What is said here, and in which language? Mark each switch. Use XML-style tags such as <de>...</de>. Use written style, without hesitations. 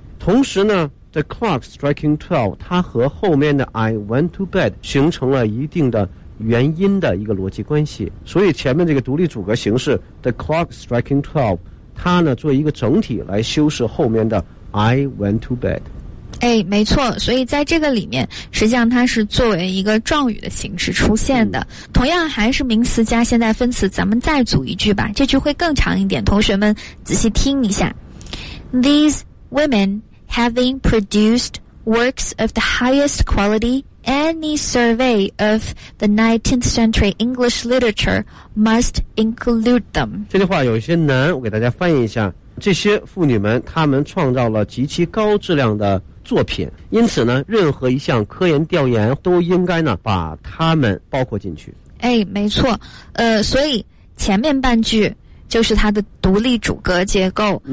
<zh>同时呢</zh> <en>the clock striking 12</en> <zh>它和后面的</zh> <en>I went to bed</en> <zh>形成了一定的原因的一个逻辑关系，所以前面这个独立主格形式 the clock striking 12它呢做一个整体来修饰后面的 I went to bed。哎，没错，所以在这个里面实际上它是作为一个状语的形式出现的。同样还是名词加现在分词，咱们再组一句吧，这句会更长一点，同学们仔细听一下。</zh> <en>These women having produced works of the highest quality, any survey of the 19th century English literature must include them。</en> <zh>这句话有些难，我给大家翻译一下。这些妇女们她们创造了极其高质量的作品，因此呢任何一项科研调研都应该呢把他们包括进去。哎，没错。所以前面半句就是它的独立主格结构。</zh>